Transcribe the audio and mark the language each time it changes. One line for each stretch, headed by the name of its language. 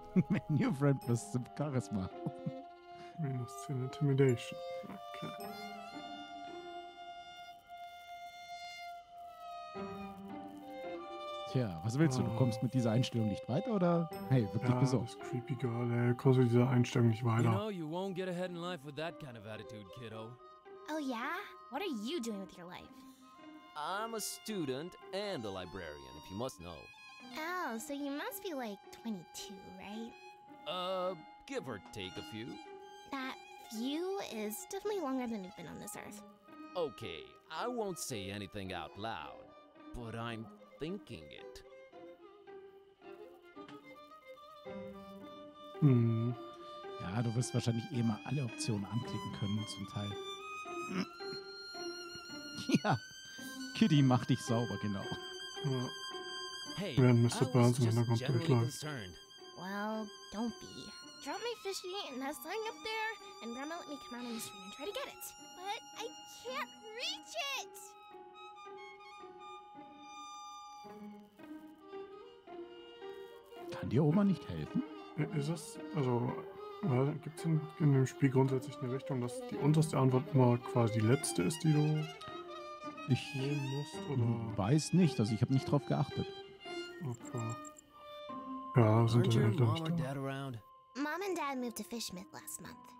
English: My new friend plus some charisma. Minus some intimidation. Okay.
German: Tja, was willst du? Du kommst mit dieser Einstellung nicht weiter, oder? Hey, wirklich ja, besorgt. Das creepy girl, ey. Kommst mit dieser Einstellung nicht weiter.
English: You know, you won't get ahead in life with that kind of attitude, kiddo. Oh yeah? What are you doing with your life? I'm a student and a librarian, if you must know. Oh, so you must be like 22, right? Give or take a few. That few is definitely longer than you've been on this earth. Okay, I won't say anything out loud, but I'm thinking it.
German: Ja, du wirst wahrscheinlich eh mal alle Optionen anklicken können zum Teil. Ja, Kitty, mach dich sauber, genau.
English: Hey, Mr. I Burns was just generally concerned. Well, don't be. Drop me fishy and that sign up there, and Grandma let me come out on the street and try to get it. But I can't reach it!
German: Kann dir Oma nicht helfen? Ist es, also, gibt's in dem Spiel grundsätzlich eine Richtung, dass die unterste Antwort immer quasi die letzte ist, die du nehmen musst, oder? Ich weiß nicht, also ich habe nicht drauf geachtet. Okay. Ja, sind
English: Aren't your mom or dad around? Mom and dad moved to Fishmouth last month.